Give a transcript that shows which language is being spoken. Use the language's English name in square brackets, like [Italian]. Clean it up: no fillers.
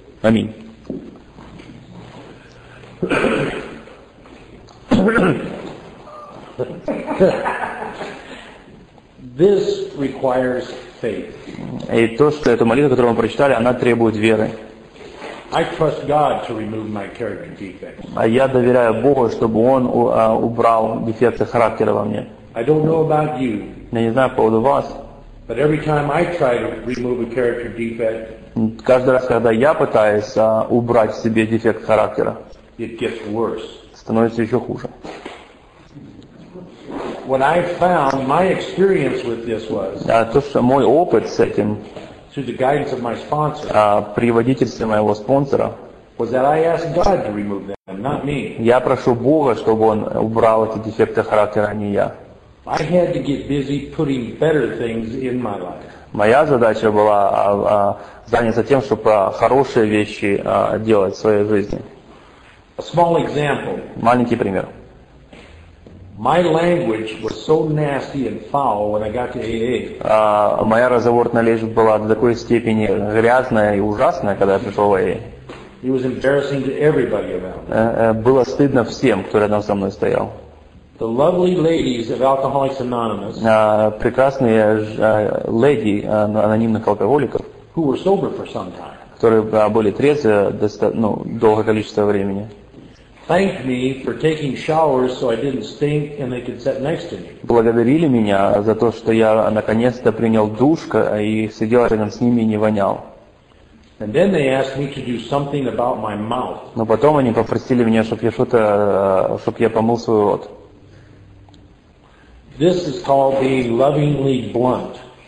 [Russian] Аминь». [English] This requires faith. [Russian] И то, что эту молитву, которую мы прочитали, она требует веры. [English] I trust God to remove my character defects. [Russian] А я доверяю Богу, чтобы Он убрал дефекты характера во мне. [English] I don't know about you. [Russian] Я не знаю по поводу вас. [English] But every time I try to remove a character defect, [Russian] каждый раз, когда я пытаюсь убрать в себе дефект характера, [English] it gets worse. [Russian] Становится еще хуже. [English] What I found, my experience with this was. [Russian] То, что мой опыт с этим. [English] Through the guidance of my sponsor. [Russian] При водительстве моего спонсора. [English] was that I asked God to remove them, not me. [Russian] Я прошу Бога, чтобы он убрал эти дефекты характера, а не я. [English] I had to get busy putting better things in my life. [Russian] Моя задача была заняться тем, чтобы хорошие вещи делать в своей жизни. [English] A small example. [Russian] Маленький пример. [English] My language was so nasty and foul when I got to AA. [Russian] Моя разговорная речь была до такой степени грязная и ужасная, когда я пришел в AA. [English] It was embarrassing to everybody around. [Russian] Было стыдно всем, кто рядом со мной стоял. [English] The lovely ladies of Alcoholics Anonymous. [Russian] Прекрасные леди анонимных алкоголиков. [English] Who were sober for some time. [Russian] Которые были трезвы долгое количество времени. [English] Thanked me for taking showers so I didn't stink and they could sit next to me. [Russian] Благодарили меня за то, что я наконец-то принял душ и сидел рядом с ними и не вонял. [English] And then they asked me to do something about my mouth. [Russian] Но потом они попросили меня, чтобы я помыл свой рот. [English] This is called being lovingly blunt.